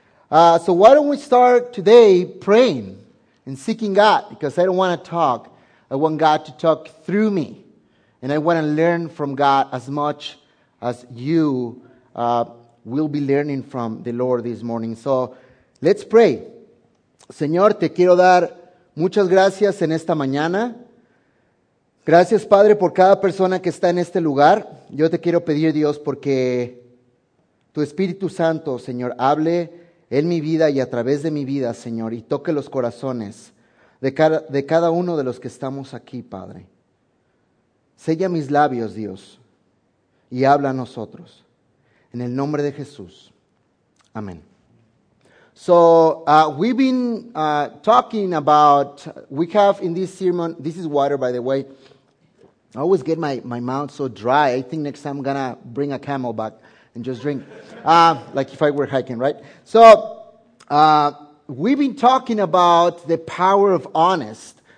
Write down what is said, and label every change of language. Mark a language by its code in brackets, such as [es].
[en] So why don't we start today praying and seeking God? Because I don't want to talk. I want God to talk through me, and I want to learn from God as much as you will be learning from the Lord this morning. So let's pray. [es] Señor, te quiero dar muchas gracias en esta mañana. Gracias, Padre, por cada persona que está en este lugar. Yo te quiero pedir, Dios, porque tu Espíritu Santo, Señor, hable en mi vida y a través de mi vida, Señor, y toque los corazones de cada uno de los que estamos aquí, Padre. Sella mis labios, Dios, y habla a nosotros. En el nombre de Jesús. Amén. [en] So, we've been talking about, we have in this sermon, this is water, by the way. I always get my mouth so dry. I think next time I'm going to bring a camel back and just drink. Like if I were hiking, right? So, we've been talking about the power of honest.